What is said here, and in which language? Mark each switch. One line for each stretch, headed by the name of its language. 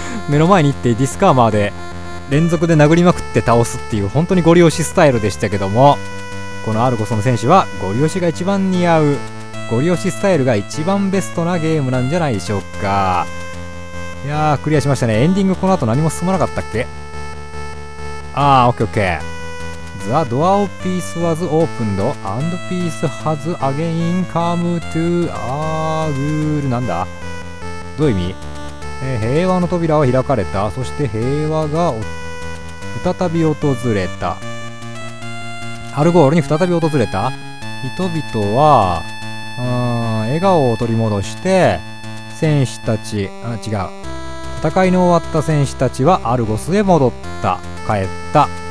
Japanese: 目の前に行ってディスカーマーで連続で殴りまくって倒すっていう本当にゴリ押しスタイルでしたけども、このアルゴスの戦士はゴリ押しが一番似合う、ゴリ押しスタイルが一番ベストなゲームなんじゃないでしょうか。いやー、クリアしましたね。エンディングこの後何も進まなかったっけ。あー、オッケーオッケー。
English: The door of peace was opened and peace has again come to Agul。
Japanese: なんだ、どういう意味、平和の扉は開かれた、そして平和が再び訪れた、アルゴールに再び訪れた、人々は笑顔を取り戻して、戦士たち、あ、違う、戦いの終わった戦士たちはアルゴスへ戻った、帰った。